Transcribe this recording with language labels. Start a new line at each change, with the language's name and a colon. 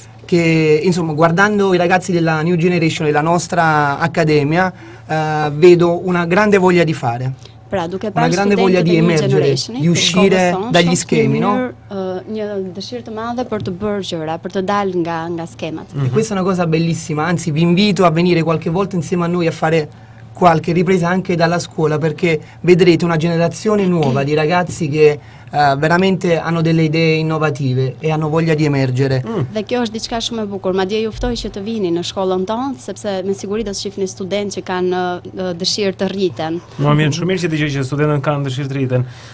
Italian: che, insomma, guardando i ragazzi della New Generation e la nostra accademia, vedo una grande voglia di fare.
Albanian: Pra, duke
Italian: una grande voglia di emergere, di uscire dagli schemi, no?
Albanian: Një dëshirë të madhe për të bërë gjëra, për të dalë nga skemat.
Italian: E questa è una cosa bellissima, anzi vi invito a venire qualche volta insieme a noi a fare qualche ripresa anche dalla scuola, perché vedrete una generazione nuova di ragazzi che veramente hanno delle idee innovative e hanno voglia di emergere.
Albanian: Dhe kjo është diçka shumë e bukur, madje juftoj që të vini në shkollën tonë, sepse me siguri do të shihni studentë që kanë dëshirë të rriten. Më vjen shumë mirë që dëgjoj që studentët kanë dëshirë të rriten.